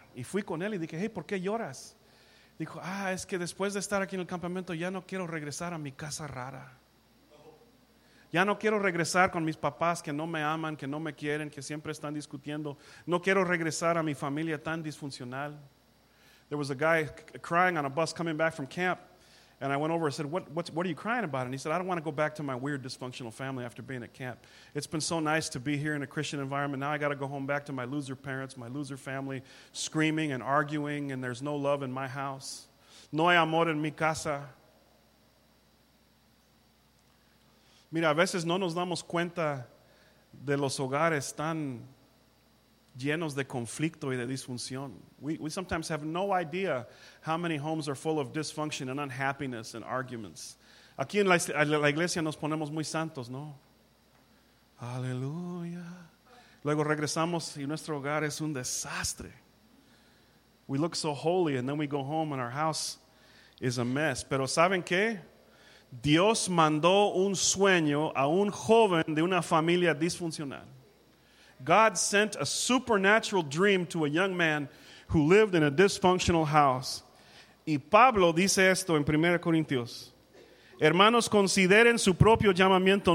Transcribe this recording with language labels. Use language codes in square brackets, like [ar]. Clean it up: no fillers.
[es] Y fui con él y dije, hey, ¿por qué lloras? Dijo, es que después de estar aquí en el campamento ya no quiero regresar a mi casa rara. Ya no quiero regresar con mis papás que no me aman, que no me quieren, que siempre están discutiendo. No quiero regresar a mi familia tan disfuncional. [en] There was a guy crying on a bus coming back from camp. And I went over and said, what are you crying about? And he said, I don't want to go back to my weird dysfunctional family after being at camp. It's been so nice to be here in a Christian environment. Now I got to go home back to my loser parents, my loser family, screaming and arguing, and there's no love in my house. [es] No hay amor en mi casa. Mira, a veces no nos damos cuenta de los hogares tan llenos de conflicto y de disfunción. [en] We sometimes have no idea how many homes are full of dysfunction and unhappiness and arguments. [es] Aquí en la iglesia nos ponemos muy santos, ¿no? Aleluya. Luego regresamos y nuestro hogar es un desastre. [en] We look so holy and then we go home and our house is a mess. [es] Pero ¿saben qué? Dios mandó un sueño a un joven de una familia disfuncional. [en] God sent a supernatural dream to a young man who lived in a dysfunctional house. [es] Y Pablo dice esto en 1 Corintios. Hermanos, consideren su propio llamamiento.